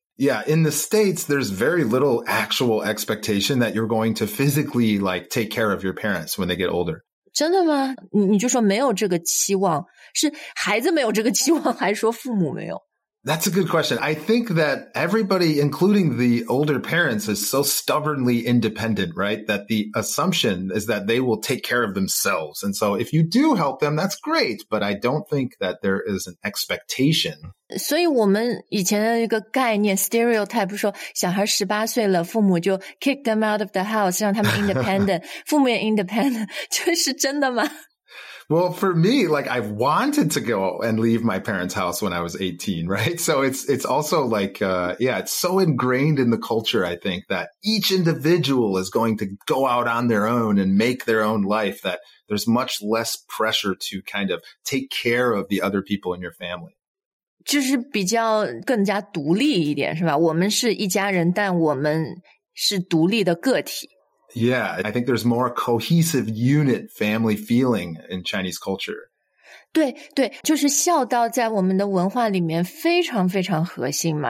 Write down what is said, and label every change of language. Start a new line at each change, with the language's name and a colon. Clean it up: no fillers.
English: Yeah, in the States, there's very little actual expectation that you're going to physically like take care of your parents when they get older.
Chinese: 真的吗? 你就说没有这个期望, 是孩子没有这个期望, 还是说父母没有?
English: That's a good question. I think that everybody, including the older parents, is so stubbornly independent, right? That the assumption is that they will take care of themselves. And so if you do help them, that's great. But I don't think that there is an expectation.
Chinese: 所以我们以前的一个概念, stereotype, 说小孩18岁了, 父母就
English: kick them out of the house,
Chinese: 让他们 independent, 父母也 independent, 这是真的吗?
English: Well, for me, like I wanted to go and leave my parents' house when I was 18, right? So it's also like, yeah, it's so ingrained in the culture, I think, that each individual is going to go out on their own and make their own life, that there's much less pressure to kind of take care of the other people in your family.
Chinese: 就是比较更加独立一点,是吧?我们是一家人,但我们是独立的个体。
English: Yeah, I think there's more cohesive unit family feeling in Chinese culture.
Chinese: 对,就是孝道在我们的文化里面非常非常核心嘛.